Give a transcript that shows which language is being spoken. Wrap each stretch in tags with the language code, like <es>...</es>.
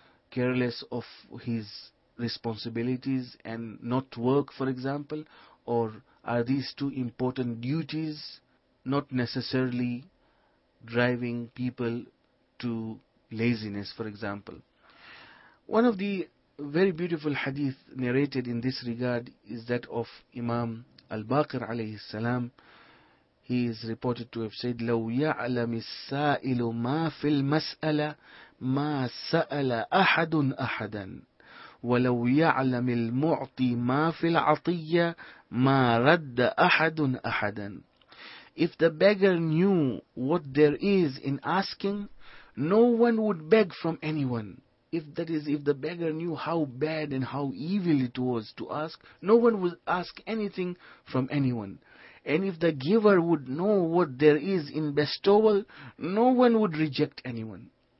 <en>careless of his responsibilities and not work, for example, or are these two important duties not necessarily driving people to laziness, for example? One of the very beautiful hadith narrated in this regard is that of Imam Al-Baqir alayhi salam. He is reported to have said,</en> <ar>لَوْ يَعْلَمِ السَّائِلُ مَا فِي الْمَسْأَلَةِ مَا سَأَلَ أَحَدٌ أَحَدًا وَلَوْ يَعْلَمِ الْمُعْطِي مَا فِي الْعَطِيَّةِ مَا رَدَّ أَحَدٌ أَحَدًا.</ar> <en>If the beggar knew what there is in asking, no one would beg from anyone. If the beggar knew how bad and how evil it was to ask, no one would ask anything from anyone. And if the giver would know what there is in bestowal, no one would reject anyone.</en>